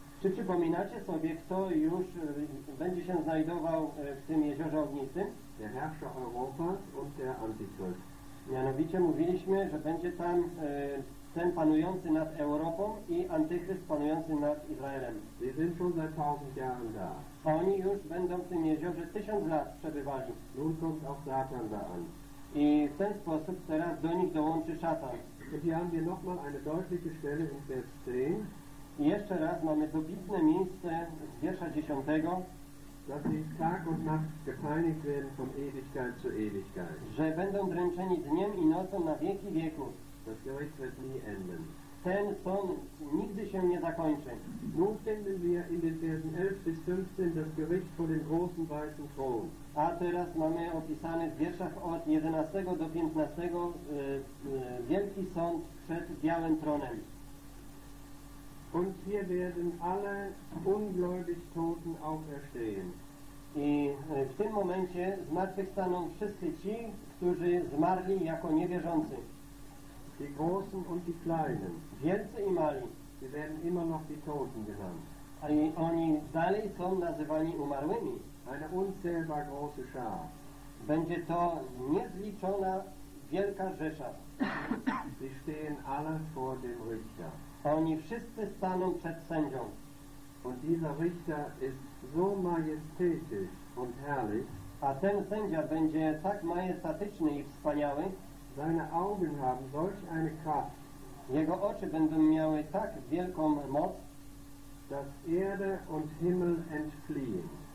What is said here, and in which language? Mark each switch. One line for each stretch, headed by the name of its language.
Polish: Czy przypominacie sobie, kto już będzie się znajdował w tym jeziorze ognistym?
German: Der Herrscher Europas und der Antichrist.
Polish: Mianowicie mówiliśmy, że będzie tam ten panujący nad Europą i Antychryst panujący nad Izraelem.
German: Sie sind schon seit 1000 Jahren da.
Polish: Oni już będą w tym jeziorze 1000 lat przebywali.
German: Nun kommt auch Satan da an.
Polish: I w ten sposób teraz do nich dołączy Szatan.
German: Und hier haben wir nochmal eine deutliche Stelle in Vers 10.
Polish: I jeszcze raz mamy dobitne miejsce z wiersza 10.
German: Dass sie Tag und Nacht gepeinigt werden von Ewigkeit zu Ewigkeit.
Polish: Że będą dręczeni dniem i nocą na wieki wieków.
German: Das Gericht wird nie enden.
Polish: Ten sąd nigdy się nie zakończy.
German: Nun finden wir in den Versen 11 bis 15 das Gericht vor dem großen weißen Thron.
Polish: A teraz mamy opisane w wierszach od 11 do 15 wielki sąd przed białym tronem.
German: Und hier werden alle ungläubig Toten auferstehen.
Polish: I w tym momencie zmartwychwstaną wszyscy ci, którzy zmarli jako niewierzący.
German: Die großen und die kleinen.
Polish: Wielcy i mali.
German: Sie werden immer noch die Toten genannt.
Polish: A oni dalej są nazywani umarłymi.
German: Eine unzählbar große Schar.
Polish: Będzie to niezliczona wielka rzesza.
German: Sie stehen alle vor dem Richter.
Polish: Oni wszyscy staną przed sędzią.
German: Und dieser Richter ist so majestätisch und herrlich.
Polish: A ten sędzia będzie tak majestatyczny i wspaniały.
German: Seine Augen haben solch eine Kraft.
Polish: Jego oczy będą miały tak wielką moc,
German: dass Erde und Himmel entfliehen.